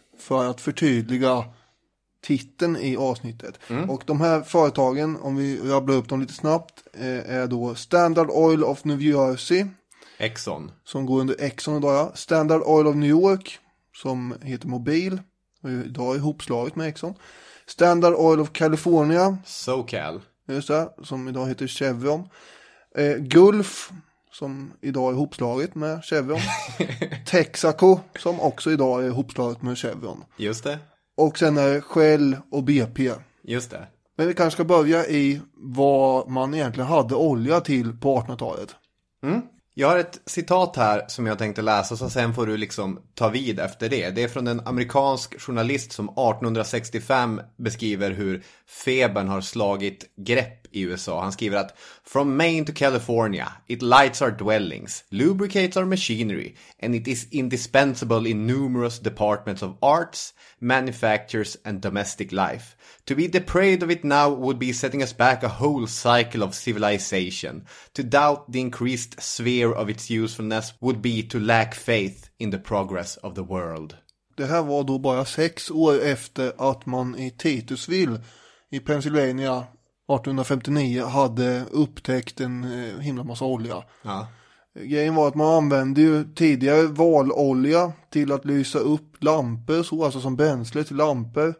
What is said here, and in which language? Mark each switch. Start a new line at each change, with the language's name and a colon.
Swedish: För att förtydliga titeln i avsnittet. Mm. Och de här företagen, om vi rabblar upp dem lite snabbt, är då Standard Oil of New Jersey. Exxon. Som går under Exxon idag, ja. Standard Oil of New York, som heter Mobil. Och idag är ihopslaget med Exxon. Standard Oil of California. SoCal. Just det, som idag heter Chevron. Gulf, som idag är ihopslaget med Chevron. Texaco, som också idag är ihopslaget med Chevron. Just det. Och sen är Shell och BP. Just det. Men vi kanske ska börja i vad man egentligen hade olja till på 1800-talet. Mm. Jag har ett citat här som jag tänkte läsa, så sen får du liksom ta vid efter det. Det är från en amerikansk journalist som 1865 beskriver hur febern har slagit grepp i USA. Han skriver att
English: "From Maine to California, it lights our dwellings, lubricates our machinery, and it is indispensable in numerous departments of arts, manufactures and domestic life. To be deprived of it now would be setting us back a whole cycle of civilization. To doubt the increased sphere of its usefulness would be to lack faith in the progress of the world."
Swedish: Det här var då bara 6 år efter att man i Titusville i Pennsylvania 1859 hade upptäckt en himla massa olja. Ja. Grejen var att man använde ju tidigare valolja till att lysa upp lampor, så alltså som bränsle till lampor.